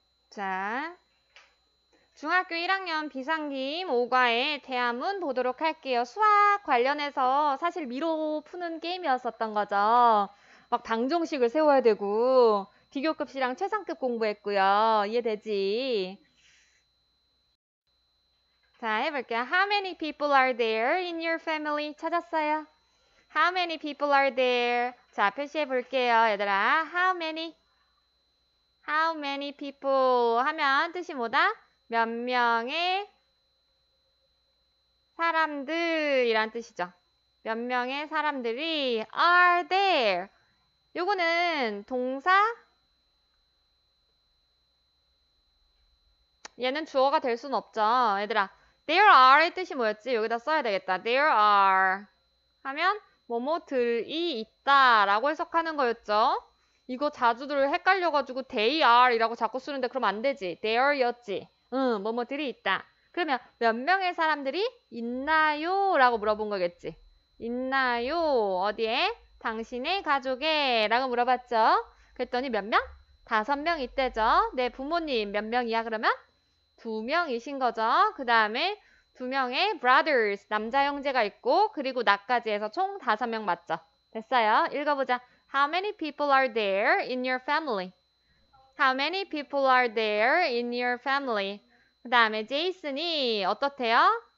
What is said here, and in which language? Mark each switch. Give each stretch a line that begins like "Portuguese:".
Korean: 자, 중학교 1학년 비상기 5과의 대화문 보도록 할게요. 수학 관련해서 사실 미로 푸는 게임이었었던 거죠. 막 당정식을 세워야 되고, 비교급수랑 최상급 공부했고요. 이해되지? 자, 해볼게요.
English: How many people are there in your family?
Korean: 찾았어요.
English: How many people are there?
Korean: 자, 표시해볼게요. 얘들아,
English: how many? How many people
Korean: 하면 뜻이 뭐다? 몇 명의 사람들이란 뜻이죠. 몇 명의 사람들이
English: are there?
Korean: 요거는 동사? 얘는 주어가 될순 없죠. 얘들아,
English: there are
Korean: 의 뜻이 뭐였지? 여기다 써야 되겠다.
English: There are
Korean: 하면 뭐뭐들이 있다라고 해석하는 거였죠. 이거 자주들 헷갈려가지고
English: they are
Korean: 이라고 자꾸 쓰는데 그럼 안 되지. There였지. 응, 뭐뭐들이 있다. 그러면 몇 명의 사람들이 있나요?라고 물어본 거겠지. 있나요? 어디에? 당신의 가족에?라고 물어봤죠. 그랬더니 몇 명? 다섯 명 있대죠. 내 부모님 몇 명이야? 그러면 두 명이신 거죠. 그 다음에 두 명의 brothers 남자 형제가 있고 그리고 나까지 해서 총 다섯 명 맞죠. 됐어요. 읽어보자.
English: How many people are there in your family? How many people are there in your family?
Korean: 그 다음에 제이슨이 어떻대요?